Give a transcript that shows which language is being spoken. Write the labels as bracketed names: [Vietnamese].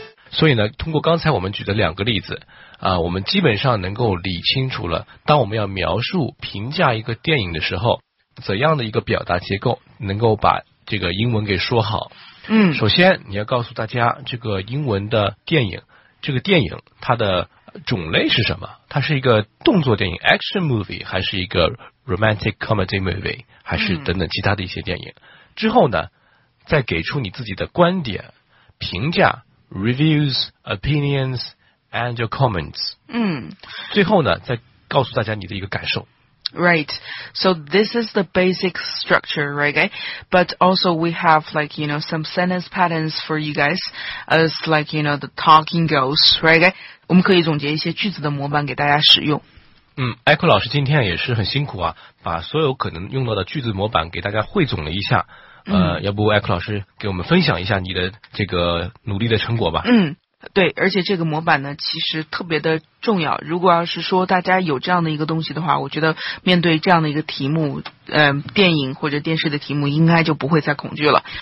[Chinese] 所以呢通过刚才我们举的两个例子我们基本上能够理清楚了当我们要描述评价一个电影的时候怎样的一个表达结构能够把这个英文给说好首先你要告诉大家这个英文的电影这个电影它的种类是什么它是一个动作电影 action movie 还是一个 romantic comedy movie 还是等等其他的一些电影之后呢再给出你自己的观点评价 [English] reviews, opinions, and your comments. [Chinese] 最后呢，再告诉大家你的一个感受。 [English] Right, so this is the basic structure, right, guys? But also we have, like, you know, some sentence patterns for you guys as, like, you know, the talking goes, right, guys? [Chinese] 我们可以总结一些句子的模板给大家使用。 Echo 老师今天也是很辛苦啊，把所有可能用到的句子模板给大家汇总了一下。要不 Echo 老师给我们分享一下你的这个努力的成果吧。对，而且这个模板呢其实特别的重要，如果要是说大家有这样的一个东西的话，我觉得面对这样的一个题目，电影或者电视的题目应该就不会再恐惧了。